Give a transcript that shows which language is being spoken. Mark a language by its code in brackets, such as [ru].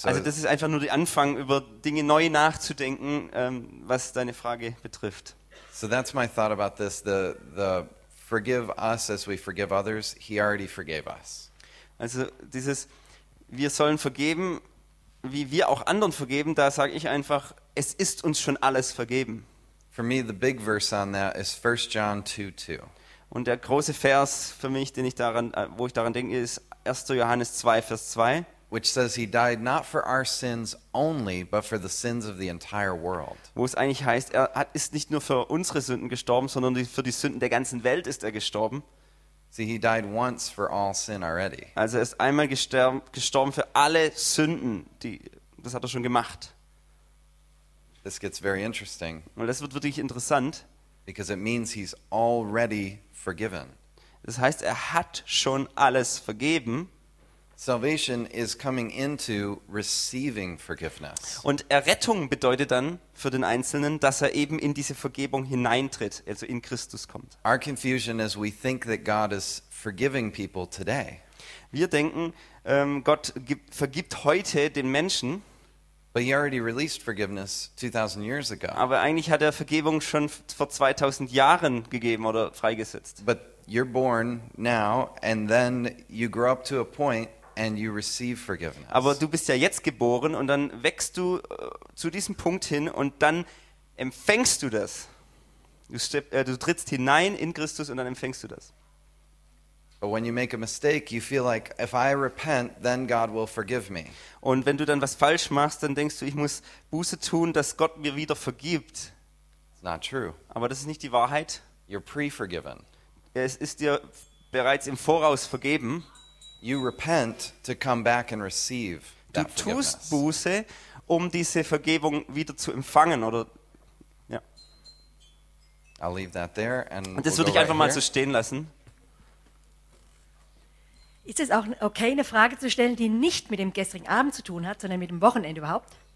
[de] So also das ist einfach nur der Anfang, über Dinge neu nachzudenken, was deine Frage betrifft. [en] So that's my thought about this. The forgive us as we forgive others. He already forgave us. [de] Also dieses, wir sollen vergeben, wie wir auch anderen vergeben. Da sage ich einfach, es ist uns schon alles vergeben. [en] For me, the big verse on that is 1 John 2:2. [de] Und der große Vers für mich, wo ich daran denke, ist 1. Johannes 2, Vers 2, [en] which says he died not for our sins only, but for the sins of the entire world. [de] Wo es eigentlich heißt, ist nicht nur für unsere Sünden gestorben, sondern für die Sünden der ganzen Welt ist er gestorben. [en] See, he died once for all sin already. [de] Also er ist einmal gestorben für alle Sünden, das hat er schon gemacht. [en] This gets very interesting. [de] Und das wird wirklich interessant. [en] Because it means he's already forgiven. [de] Das heißt, er hat schon alles vergeben. [en] Salvation is coming into receiving forgiveness. [de] Und Errettung bedeutet dann für den Einzelnen, dass er eben in diese Vergebung hineintritt, also in Christus kommt. [en] Our confusion is we think that God is forgiving people today. [de] Wir denken, Gott vergibt heute den Menschen. [en] But he already released forgiveness 2000 years ago. [de] Aber eigentlich hat er Vergebung schon vor 2000 Jahren gegeben oder freigesetzt. [en] But you're born now and then you grow up to a point and you receive forgiveness. [de] Aber du bist ja jetzt geboren und dann wächst du zu diesem Punkt hin und dann empfängst du das. Du trittst hinein in Christus und dann empfängst du das. [en] But when you make a mistake, you feel like if I repent, then God will forgive me. [de] Und wenn du dann was falsch machst, dann denkst du, ich muss Buße tun, dass Gott mir wieder vergibt. [en] It's not true. [de] Aber das ist nicht die Wahrheit. [en] You're pre-forgiven. [de] Es ist dir bereits im Voraus vergeben. [en] You repent to come back and receive that forgiveness. [de] Du tust Buße, um diese Vergebung wieder zu empfangen, oder? Ja. [en] I'll leave that there and [de] das [en] we'll [de] würde ich einfach [en] right [de] mal so stehen lassen. Ist es auch okay, eine Frage zu stellen, die nicht mit dem gestrigen Abend zu tun hat, sondern mit dem Wochenende überhaupt?